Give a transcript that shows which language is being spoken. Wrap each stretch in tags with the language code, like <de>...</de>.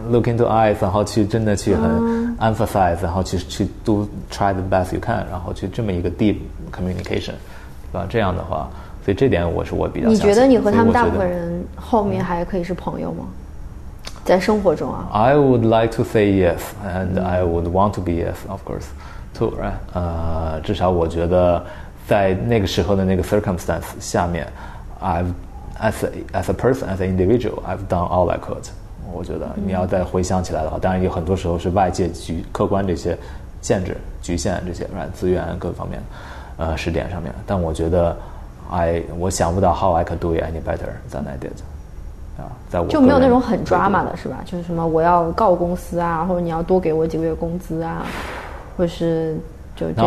<en>look into eyes</en> <zh>然后去真的去很 emphasize、然后去</zh> <en>do try the best you can</en> <zh>然后去这么一个</zh> <en>deep communication</en> <zh>对吧这样的话所以这点我是我比较你觉得你和他们大部分人后面还可以是朋友吗、在生活中啊</zh> <en>I would like to say yes and I would want to be yes of course too right</en> <zh>至少我觉得在那个时候的那个</zh> <en>circumstance</en> <zh>下面</zh> <en>As a person, as an individual, I've done all I could.</en> <zh>我觉得你要再回想起来的话，当然有很多时候是外界客观这些限制、局限这些，资源各方面，时点上面。但我觉得我想不到</zh> <en>how I could do it any better than I did.</en> <zh>啊，在我就没有那种很抓马的是吧？就是什么我要告公司啊，或者你要多给我几个月工资啊，或是就这种</zh>